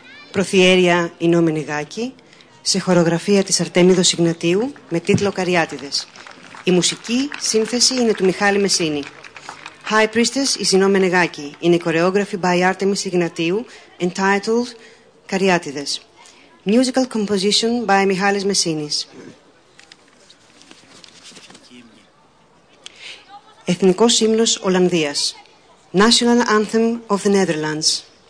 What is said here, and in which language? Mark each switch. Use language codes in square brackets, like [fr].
[el] Προθιέρια Ινόμενη Γάκη, σε χορογραφία της Αρτέμιδος Ιγνατίου με τίτλο Καριάτιδες. Η μουσική σύνθεση είναι του Μιχάλη Μεσίνη. [en] High Priestess is Ινόμενη Γάκη, in a choreography by Artemis Ignatiou, entitled Καριάτιδες. Musical composition by Μιχάλης Μεσίνης. [el] Εθνικός ύμνος Ολλανδίας. [en] National Anthem of the Netherlands.